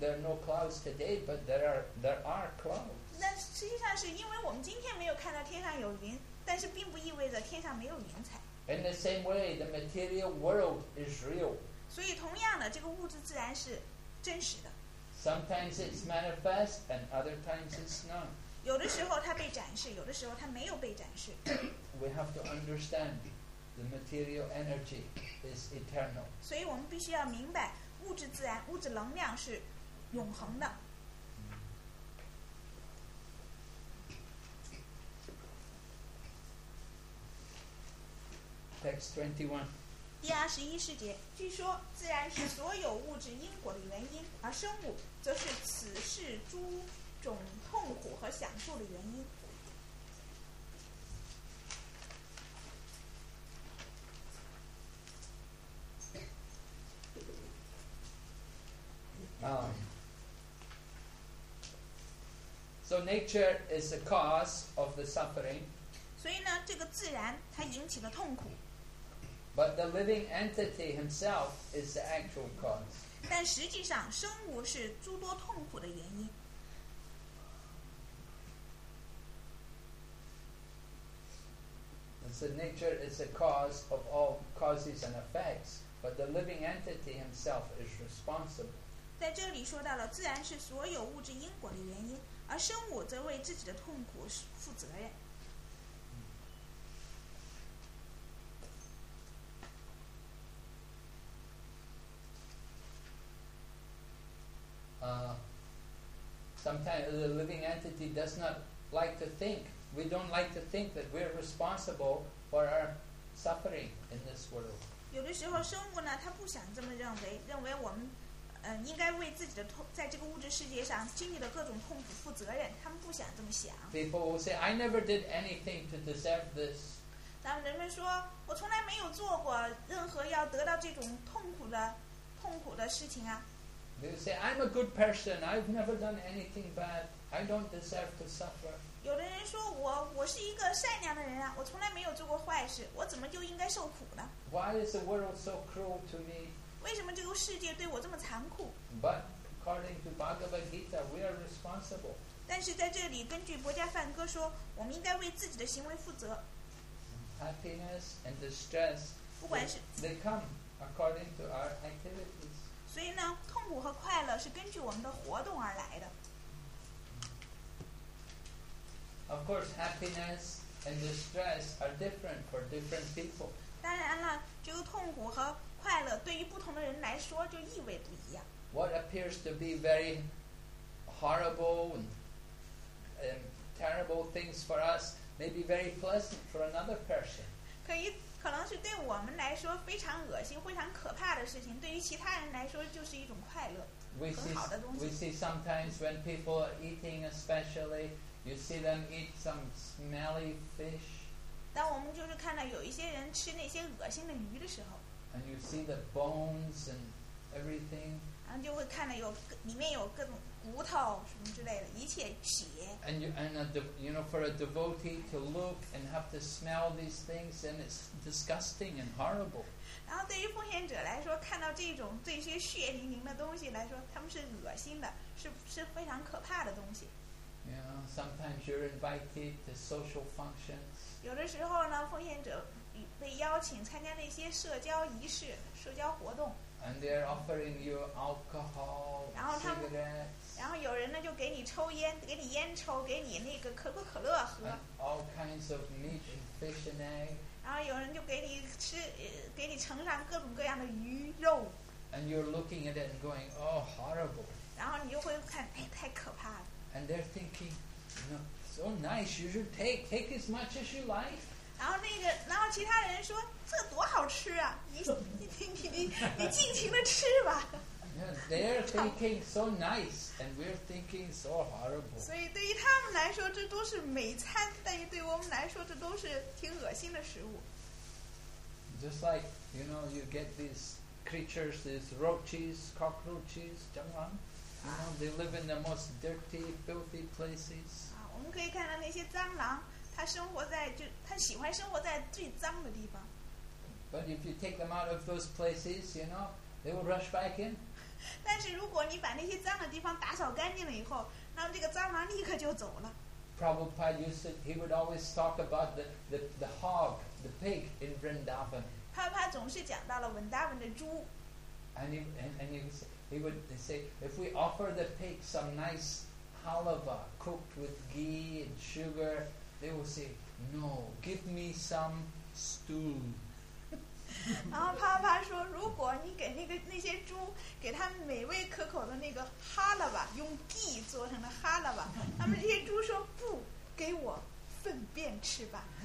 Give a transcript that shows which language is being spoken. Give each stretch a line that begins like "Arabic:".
English: There are no clouds today, but there are clouds.
Chinese: 那实际上是因为我们今天没有看到天上有云。但是并不意味着天上没有云彩。
English: In the same way, the material world is real.
Chinese: 所以同样的，这个物质自然是真实的。
English: Sometimes it's manifest, and other times it's not.
Chinese: 有的时候它被展示，有的时候它没有被展示。
English: We have to understand the material energy is eternal.
Chinese: 所以我们必须要明白，物质自然、物质能量是永恒的。
English: Text 21.
Chinese: 第二十一世节，据说自然是所有物质因果的原因，而生物则是此事诸种痛苦和享受的原因。
English: So nature is the cause of the suffering.
Chinese: 所以呢，这个自然它引起了痛苦。
English: But the living entity himself is the actual cause.
Chinese: 但实际上，生物是诸多痛苦的原因。
English: So nature is the cause of all causes and effects, but the living entity himself is responsible.
Chinese: 在这里说到了，自然是所有物质因果的原因。而生物则为自己的痛苦负责任。
English: Sometimes the living entity does not like to think. We don't like to think that we're responsible for our suffering in this world.
Chinese: 有的时候，生物呢，他不想这么认为，认为我们。应该为自己的痛，在这个物质世界上经历的各种痛苦负责任。他们不想这么想。
English: People will say, "I never did anything to deserve this."
Chinese: 当人们说，我从来没有做过任何要得到这种痛苦的事情啊。
English: They will say, "I'm a good person. I've never done anything bad. I don't deserve to suffer."
Chinese: 有的人说我是一个善良的人啊，我从来没有做过坏事，我怎么就应该受苦呢
English: ？Why is the world so cruel to me?
Chinese: 为什么这个世界对我这么残酷
English: ？But according to Bhagavad Gita, we are responsible.
Chinese: 但是在这里，根据博迦梵歌说，我们应该为自己的行为负责。
English: Happiness and distress,
Chinese: 不管是
English: they come according to our activities.
Chinese: 所以呢，痛苦和快乐是根据我们的活动而来的。
English: Of course, happiness and distress are different for different people.
Chinese: 当然了，这个痛苦和快乐对于不同的人来说就意味不一样。
English: What appears to be very horrible and terrible things for us may be very pleasant for another person.
Chinese: 可能是对我们来说非常恶心、非常可怕的事情，对于其他人来说就是一种快乐、很好的东西。
English: We see sometimes when people are eating, especially, you see them eat some smelly fish.
Chinese: 当我们就是看到有一些人吃那些恶心的鱼的时候。
English: And you see the bones and everything.
Chinese: 然后就会看到有里面有各种骨头什么之类的，一切血。
English: And for a devotee to look and have to smell these things, then it's disgusting and horrible.
Chinese: 然后对于奉献者来说，看到这些血淋淋的东西来说，他们是恶心的，是非常可怕的东西。
English: Yeah, sometimes you're invited to social functions.
Chinese: 有的时候呢，奉献者。被邀请参加那些社交仪式、社交活动。
English: And they're offering you alcohol, cigarettes.
Chinese: 然后有人呢就给你抽烟，给你烟抽，给你那个可口可乐喝。
English: All kinds of meat, fish and egg.
Chinese: 然后有人就给你吃，给你盛上各种各样的鱼肉。
English: And you're looking at it and going, oh, horrible.
Chinese: 然后你就会看，哎，太可怕了。
English: And they're thinking, no, so nice. You should take as much as you like.
Chinese: 然后其他人说这多好吃啊，你尽情的吃吧。
English: Yeah, they're thinking so nice, and we're thinking so horrible.
Chinese: 所以对于他们来说这都是美餐，但对我们来说这都是挺恶心的食物。
English: Just like, you know, you get these creatures, these roaches, cockroaches, 蟑螂, you know, they live in the most dirty, filthy places.
Chinese: 我们可以看到那些蟑螂。他喜欢生活在最脏的地方。
English: But if you take them out of those places, you know, they will rush back in.
Chinese: 但是如果你把那些脏的地方打扫干净了以后，那么这个蟑螂立刻就走了。
English: Prabhupada used to, he would always talk about the hog, the pig in Vrindavan.
Chinese: 帕帕总是讲到了文达文的猪。
English: And he would say, if we offer the pig some nice halva cooked with ghee and sugar. They will say, "No, give me some stool."
Chinese: 然后帕帕说，如果你给那些猪，给他们美味可口的那个哈喇吧，用 ghee 做成的哈喇吧，他们这些猪说不，给我粪便吃吧。